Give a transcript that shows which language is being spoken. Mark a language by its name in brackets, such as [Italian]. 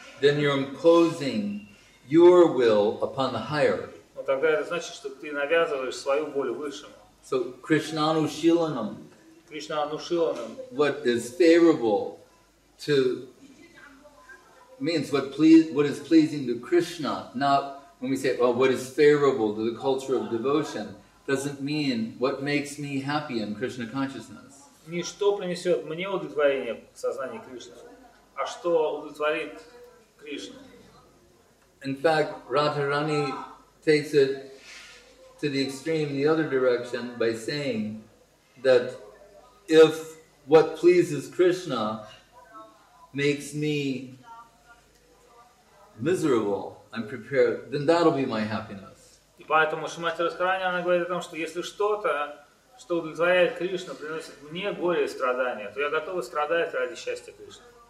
[English] Then you're imposing your will upon the higher. [Russian] Но тогда это значит, что ты навязываешь свою волю высшему. [Sanskrit] So, Krishnanushilanam. Krishna-anushilanam. [English] What is favorable to means what please what is pleasing to Krishna, not when we say, well, what is favorable to the culture of devotion doesn't mean what makes me happy in Krishna consciousness. [Russian] Не что принесет мне удовлетворение в сознании Кришны, а что удовлетворит Кришну. [English] In fact, Radharani takes it to the extreme in the other direction by saying that if what pleases Krishna makes me miserable, I'm prepared, then that'll be my happiness. [Russian] И поэтому Шримати Радхарани, она говорит о том, что если что-то, что удовлетворяет Кришну, приносит мне горе и страдания, то я готова страдать ради счастья Кришны.